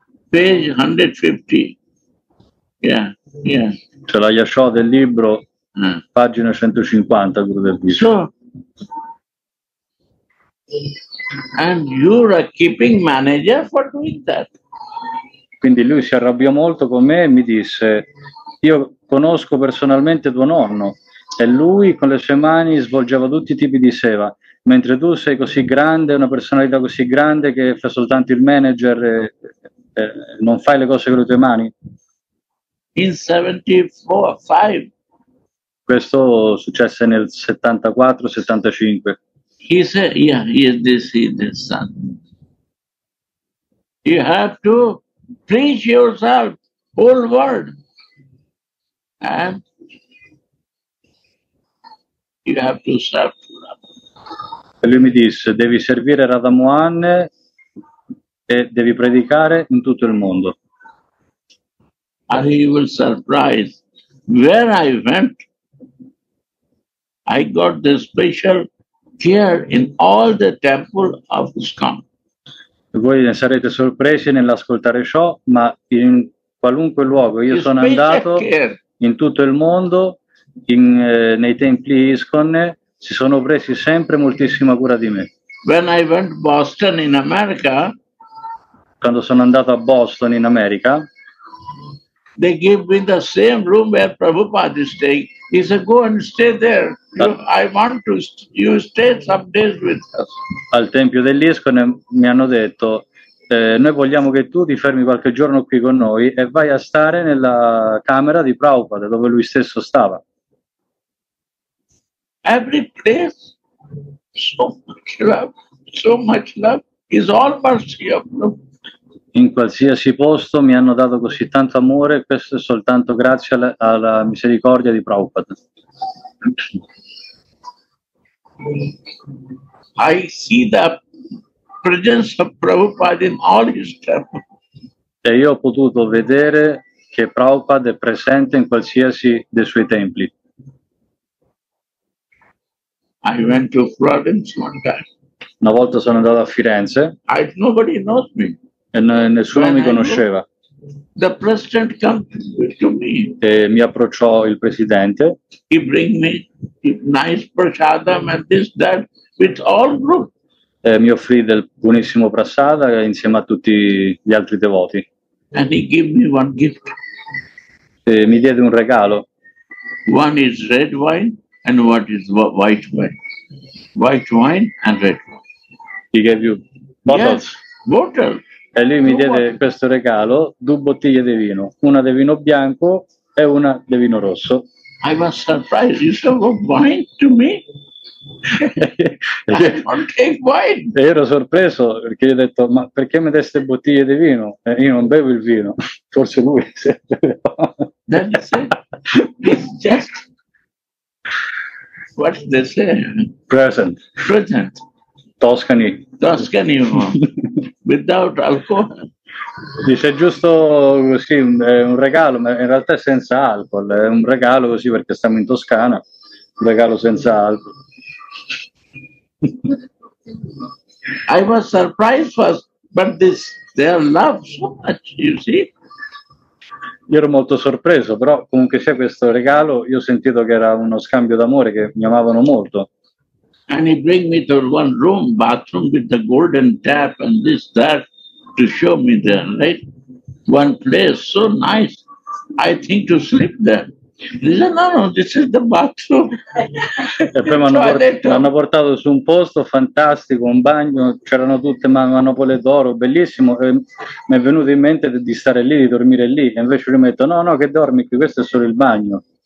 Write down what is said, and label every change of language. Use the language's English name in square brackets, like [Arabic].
[English] Page 150. Yeah, yeah. [Italian] C'è la Yasho del libro, pagina 150, Gurudev. [English] So, and you're a keeping manager for doing that. [Italian] Quindi lui si arrabbiò molto con me e mi disse, io conosco personalmente tuo nonno e lui con le sue mani svolgeva tutti i tipi di seva, mentre tu sei così grande, una personalità così grande che fai soltanto il manager, non fai le cose con le tue mani. [English] In 74-5. [Italian] Questo successe nel 74-75. [English] He said, yeah, he is this son. You have to preach yourself, whole world. And you have to serve Radha. [Italian] E lui mi disse, devi servire Radha Mohan e devi predicare in tutto il mondo. [English] And he was surprised. Where I went, I got the special care in all the temple of ISKCON. [Italian] Voi ne sarete sorpresi nell'ascoltare ciò, ma in qualunque luogo io sono andato, care. In tutto il mondo, nei templi ISKCON, si sono presi sempre moltissima cura di me. [English] When I went to Boston in America, [Italian] quando sono andato a Boston in America, [English] they give me the same room where Prabhupada is staying. He said, go and stay there. I want to you stay some days with us. [Italian] Al tempio dell'ISKCON mi hanno detto: noi vogliamo che tu ti fermi qualche giorno qui con noi e vai a stare nella camera di Prabhupada dove lui stesso stava. [English] Every place, so much love is all mercy of love. [Italian] In qualsiasi posto mi hanno dato così tanto amore, questo è soltanto grazie alla misericordia di Prabhupada. [English] I see the presence of Prabhupada in all his temples. [Italian] E io ho potuto vedere che Prabhupada è presente in qualsiasi dei suoi templi. [English] I went to Florence one time. [Italian] Una volta sono andato a Firenze. [English] Nobody knows me. [Italian] E nessuno mi conosceva. [English] The president came to me. [Italian] E mi approcciò il presidente. [English] He bring me nice prasadam and this that with all group. [Italian] E mi offrì del buonissimo prasada insieme a tutti gli altri devoti. [English] And he gave me one gift. [Italian] E mi diede un regalo. [English] One is red wine and what is white wine. White wine and red wine. He gave you bottles. Yes, bottles. [Italian] E lui mi diede questo regalo, due bottiglie di vino, una di vino bianco e una di vino rosso. [English] I was surprised, you said, what wine to me? I don't take wine. [Italian] E ero sorpreso perché gli ho detto, ma perché mi deste bottiglie di vino? E io non bevo il vino, forse lui. [English] Then he said, it's just, what did they say? Present. Present. [Italian] Toscani. [English] Toscani, without alcohol. [Italian] Dice giusto così, è un regalo, ma in realtà è senza alcol. È un regalo così perché stiamo in Toscana, un regalo senza alcol. [English] I was surprised first, but this, they love so much, you see. [Italian] Io ero molto sorpreso, però comunque sia questo regalo, io ho sentito che era uno scambio d'amore, che mi amavano molto. [English] And he bring me to one room, bathroom with the golden tap and this, that, to show me there, right? One place, so nice, I think to sleep there. He said, no, this is the bathroom. [Italian] E poi hanno portato su un posto fantastico, un bagno, c'erano tutte manopole d'oro, bellissimo, e mi è venuto in mente di stare lì, di dormire lì, e invece gli metto, no, che dormi qui, questo è solo il bagno.